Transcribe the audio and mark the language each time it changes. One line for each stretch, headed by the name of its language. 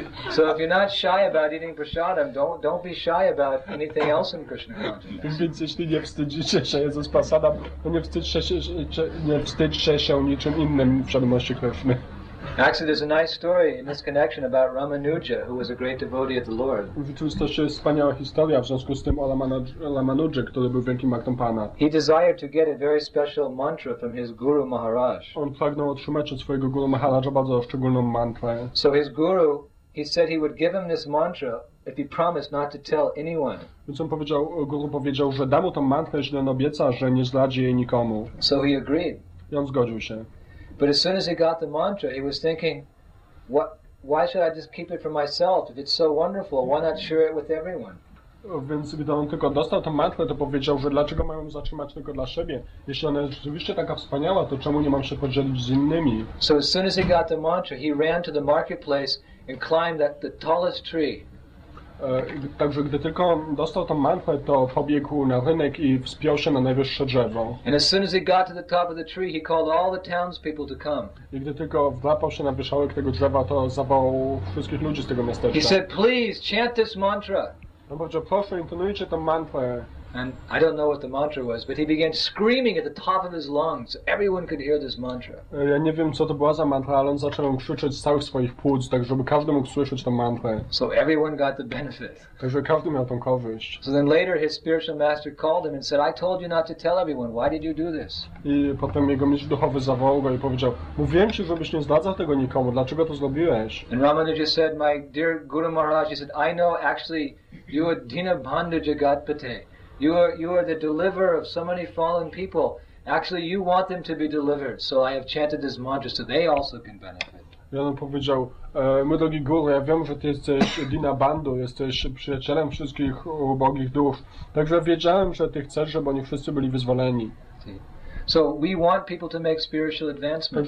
English: So if you're not shy about eating prasadam, don't be shy about anything else in Krishna consciousness.
Polish: Więc jeśli nie wstydzicie się jedząc prasadam, to nie wstydźcie się niczym innym w świadomości Krishna.
English: Actually, there's a nice story in this connection about Ramanuja, who was a great devotee of the Lord.
Polish: W rzeczywistości jest wspaniała historia w związku z tym o Ramanuja, który był wielkim bhaktą Pana.
English: He desired to get a very special mantra from his guru Maharaj.
Polish: On pragnął otrzymać od swojego guru Maharaja bardzo szczególną mantrę.
English: So his guru, he said he would give him this mantra if he promised not to tell anyone.
Polish: Więc on powiedział, guru powiedział, że da mu tą mantrę, jeśli on obieca, że nie zdradzi jej nikomu.
English: So he agreed.
Polish: I on zgodził się.
English: But as soon as he got the mantra, he was thinking, why should I just keep it for myself? If it's so wonderful, why not share it with everyone?
Polish: Więc gdy on tylko dostał tę mantrę, to powiedział, że dlaczego mam ją zatrzymać tylko dla siebie? Jeśli ona jest rzeczywiście taka wspaniała, to czemu nie mam się podzielić z innymi?
English: So as soon as he got the mantra, he ran to the marketplace and climbed that the tallest tree.
Polish: Także gdy tylko dostał tę mantrę, to pobiegł na rynek i wspiął się na najwyższe drzewo.
English: And as soon as he got to the top of the tree, he called all the townspeople to come.
Polish: I gdy tylko wdrapał się na wierzchołek tego drzewa, to zawołał wszystkich ludzi z tego miasteczka.
English: He said, please chant this mantra.
Polish: On powiedział, proszę, intonujcie tę mantrę.
English: And I don't know what the mantra was, but he began screaming at the top of his lungs. Everyone could hear this mantra.
Polish: Ja nie wiem, co to była za mantra, ale on zaczął krzyczeć z całych swoich płuc, tak żeby każdy mógł słyszeć tę mantrę.
English: So everyone got the benefit.
Polish: Także każdy miał tą korzyść.
English: So then later his spiritual master called him and said, I told you not to tell everyone. Why did you do this?
Polish: I potem jego mistrz duchowy zawołał go i powiedział, mówiłem ci, żebyś nie zdradzał tego nikomu. Dlaczego to zrobiłeś?
English: And Ramanuja said, my dear Guru Maharaj, he said, I know actually you are Dina Bandhu Jagatpate. You are the deliverer of so many fallen people. Actually, you want them to be delivered, so I have chanted this mantra so they also can benefit.
Polish: Ja bym powiedział, mój drogi guru, ja wiem, że ty jesteś Dina Bandhu, jesteś przyjacielem wszystkich ubogich duchów. Także wiedziałem, że ty chcesz, żeby oni wszyscy byli wyzwoleni.
English: So we want people to make spiritual advancement.